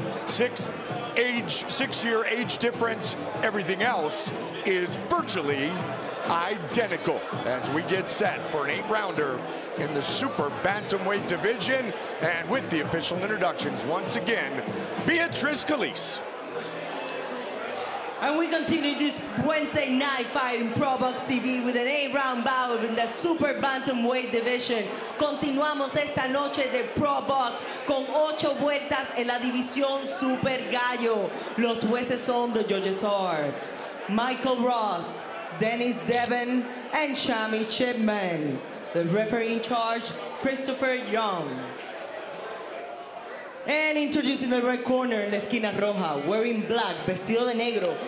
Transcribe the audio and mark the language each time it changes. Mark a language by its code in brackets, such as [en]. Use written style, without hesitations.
[en] Six-year age difference. Everything else is virtually identical as we get set for an 8-rounder in the super bantamweight division. And with the official introductions, once again, Beatrice Calise. And we continue this Wednesday night fight in ProBox TV with an 8-round bout in the super bantamweight division. [es] Continuamos esta noche de ProBox con 8 vueltas en la división super gallo. Los jueces son, [en] the judges are Michael Ross, Dennis Devon, and Shami Chipman. The referee in charge, Christopher Young. And introducing the red corner in the [es] esquina roja, [en] wearing black, [es] vestido de negro.